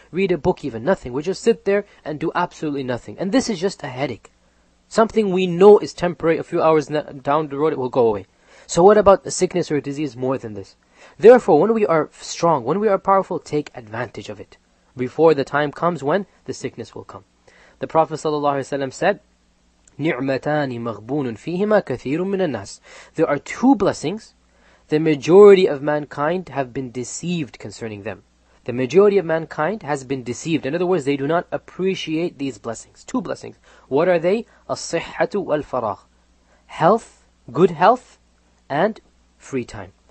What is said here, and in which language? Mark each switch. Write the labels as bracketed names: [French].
[English] Read a book even, nothing. We just sit there and do absolutely nothing. And this is just a headache. Something we know is temporary, a few hours down the road it will go away. So what about a sickness or a disease more than this? Therefore, when we are strong, when we are powerful, take advantage of it before the time comes when the sickness will come. The Prophet ﷺ said, [Arabic] نِعْمَتَانِ مَغْبُونٌ فِيهِمَا كَثِيرٌ مِنَ النَّاسِ. [English] There are two blessings. The majority of mankind have been deceived concerning them. The majority of mankind has been deceived. In other words, they do not appreciate these blessings. Two blessings. What are they? [Arabic] الصِّحَّةُ وَالْفَرَاغُ. [English] Health, good health, and free time.